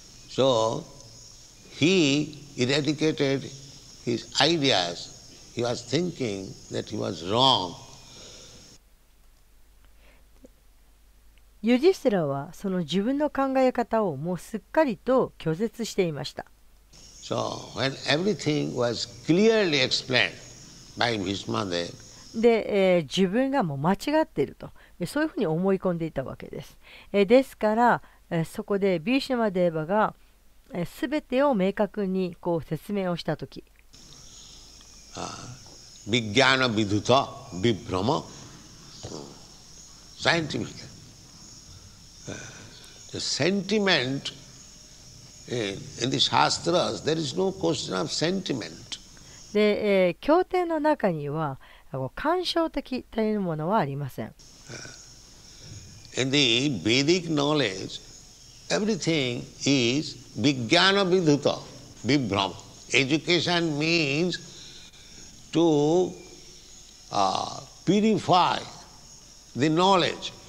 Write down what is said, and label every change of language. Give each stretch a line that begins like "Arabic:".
English: So he eradicated his ideas. He was thinking that he was wrong.
Japanese: ユディスラはその自分の考え方をもうすっかりと拒絶していました。
English: So, when everything was clearly explained by Bhishma Dev,
Japanese: で、自分がもう間違っていると、そういうふうに思い込んでいたわけです。ですから、そこでビシュマデーバが、全てを明確にこう説明をしたとき、
Sanskrit: ビッギャーナ・ビドゥタ・ビブラマ、サイエンティフィック。
English: The sentiment in the shastras, there is no question of sentiment.
Japanese: で、経典の中には感傷的というものはありません。
English: In the Vedic knowledge, everything is
Sanskrit: vijnana vidhuta, vibhram.
English: Education means to purify the knowledge.